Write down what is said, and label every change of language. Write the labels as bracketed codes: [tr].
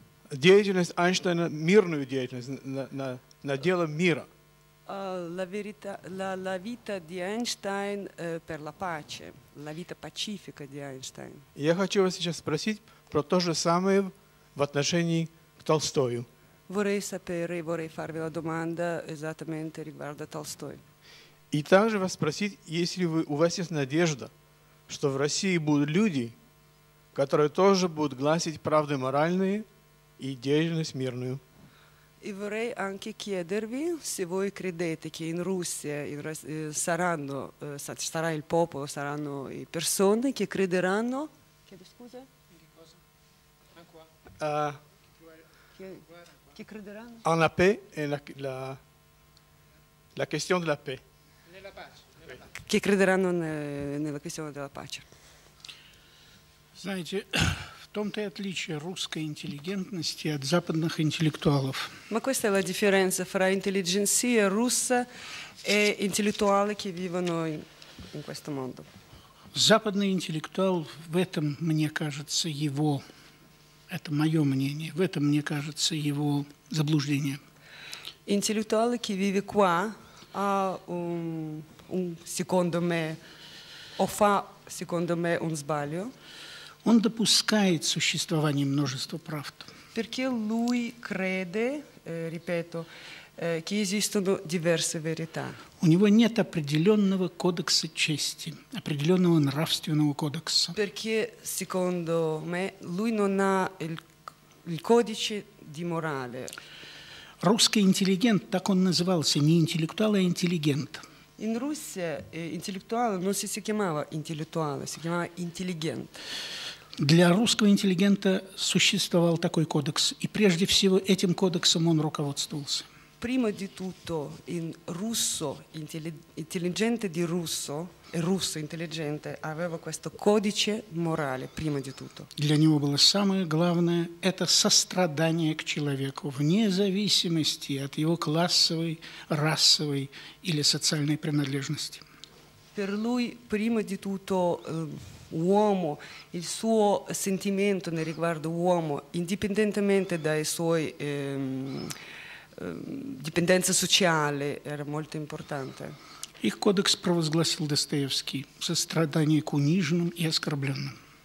[ru] Деятельность Эйнштейна, мирную деятельность на дело мира. [it] La verità, la vita di Einstein per la pace, la vita pacifica di Einstein. [ru] Я хочу вас сейчас спросить про то же самое в отношении к Толстою. [it] Vorrei sapere, vorrei farvi la domanda esattamente riguardo a Tolstoy. [ru] И также вас спросить, если у вас есть надежда, что в России будут люди, которые тоже будут гласить правды моральные и деятельность мирную. [it] E vorrei anche chiedervi se voi credete che in Russia saranno, sarà il popolo, saranno le persone che crederanno. Chiedo scusa. Che crederanno? [fr] En la paix [it] e la questione della [fr] paix. [it] Nella pace. Che crederanno nella questione della pace. [ru] Знаете, в том-то и отличие русской интеллигентности от западных интеллектуалов. [it] Ma questa è la differenza fra intelligenza russa e intellettuali che vivono in questo mondo. [ru] Западный интеллектуал в этом, мне кажется, его это моё мнение, в этом, мне кажется, его заблуждение. [it] Intellettual che vive qua ha un secondo me o fa secondo me un sbaglio. [ru] Он допускает существование множества правд. [it] Perché lui crede, ripeto, che esistono diverse verità. [ru] У него нет определенного кодекса чести, определенного нравственного кодекса. [it] Perché secondo me lui non ha il codice di morale. [ru] Русский интеллигент, так он назывался, не интеллектуал, а интеллигент. [it] In Russia intellettual non si chiamava intellettuale, si chiamava intelligent. [ru] Для русского интеллигента существовал такой кодекс, и прежде всего этим кодексом он руководствовался. [it] Prima di tutto in russo intelligente di russo e russo intelligente aveva questo codice morale prima di tutto. [ru] Для него было самое главное это сострадание к человеку вне зависимости от его классовой, расовой или социальной принадлежности. [it] Per lui prima di tutto uomo, il suo sentimento nel riguardo uomo, indipendentemente dai suoi dipendenza sociale, era molto importante. [ru] Их кодекс провозгласил Достоевский сострадание к униженным и оскорбленным.